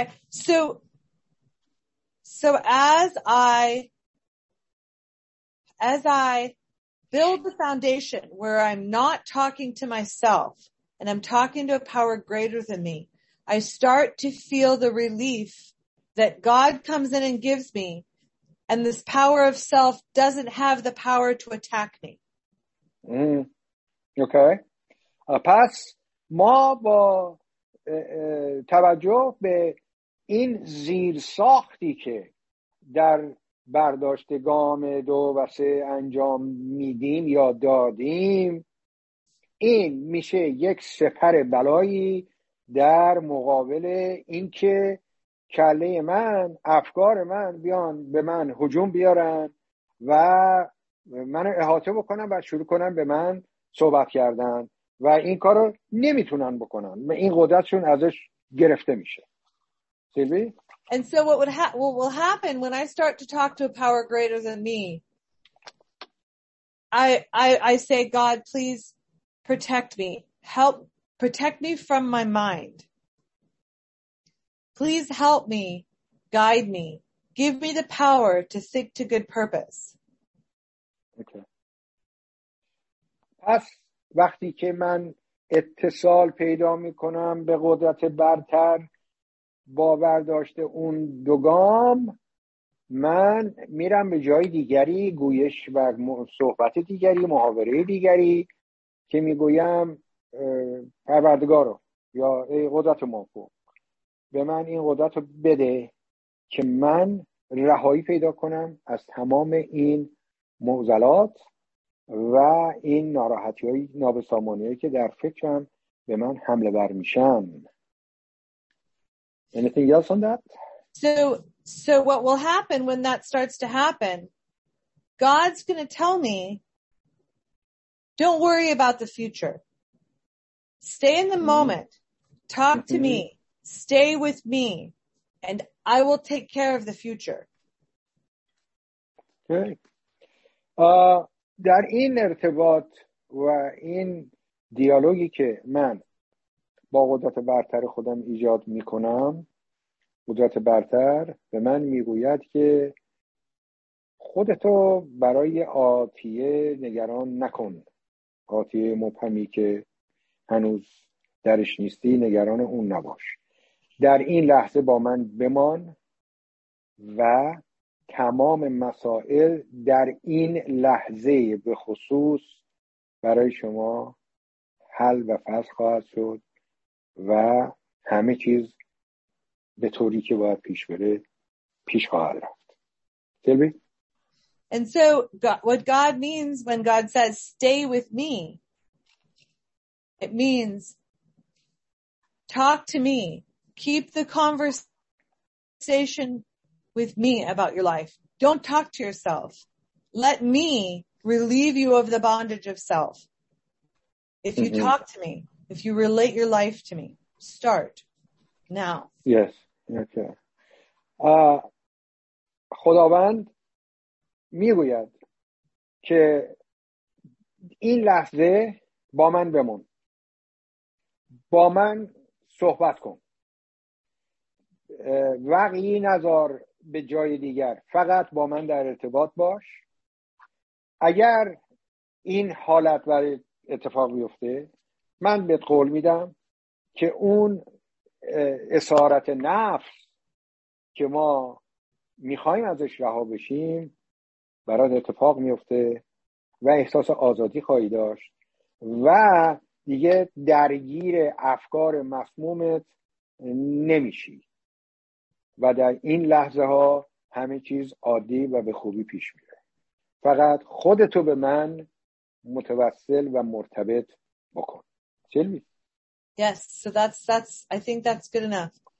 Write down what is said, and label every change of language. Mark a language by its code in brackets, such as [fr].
[en] So as I build the foundation where I'm not talking to myself and I'm talking to a power greater than me, I start to feel the relief that God comes in and gives me And this power of self doesn't have the power to attack me. Okay. [fa] پس ما با توجه به این زیر ساختی که در برداشت گام دو و سه انجام میدیم یا دادیم، این میشه یک سپر بلایی در مقابل اینکه کله من، افکار من بیان به من هجوم بیارن و من احاطه بکنن و شروع کنن به من صحبت کردن و این کارو نمیتونن بکنن، این قدرتشون ازش گرفته میشه. سیلوی؟ [en] And so what will happen when I start to talk to a power greater than me, I say, God, please protect me. Help protect me from my mind. Please help me, guide me, give me the power to think to good purpose. Okay. [fa] پس وقتی که من اتصال پیدا میکنم به قدرت برتر با برداشت اون دو گام، من میرم به جای دیگری، گویش و صحبت دیگری، محاوره دیگری که میگویم پروردگارو یا ای قدرت موفق، به من این قدرت رو بده که من رهایی پیدا کنم از تمام این معضلات و این ناراحتی های نابسامانی هایی که در فکرم به من حمله بر میشن. [en] Anything else on that? So what will happen when that starts to happen? God's going to tell me, don't worry about the future. Stay in the moment. Talk to me. Stay with me. And I will take care of the future. Okay. [fa] در این ارتباط و این دیالوگی که من با قدرت برتر خودم ایجاد میکنم، قدرت برتر به من میگوید که خودتو برای آتیه نگران نکن. آتیه مبهمی که هنوز درش نیستی، نگران اون نباش. در این لحظه با من بمان و تمام مسائل در این لحظه به خصوص برای شما حل و فصل خواهد شد و همه چیز به طوری که باید پیش بره پیش خواهد رفت. تلبی؟ [en] And so what God means when God says stay with me, it means talk to me, keep the conversation with me about your life. Don't talk to yourself. Let me relieve you of the bondage of self. If you mm-hmm. talk to me, if you relate your life to me, start now. Yes. Okay. [fa] خداوند میگوید که این لحظه با من بمون. با من صحبت کن. وقعی نذار به جای دیگر، فقط با من در ارتباط باش. اگر این حالت برای اتفاق بیفته، من بهت قول میدم که اون اسارت نفس که ما میخواییم ازش رها بشیم برات اتفاق میفته و احساس آزادی خواهی داشت و دیگه درگیر افکار مسمومت نمیشی و در این لحظه ها همه چیز عادی و به خوبی پیش میره. فقط خودتو به من متوسل و مرتبط بکن. سیلوی؟ [en] Yes, so that's I think that's good enough.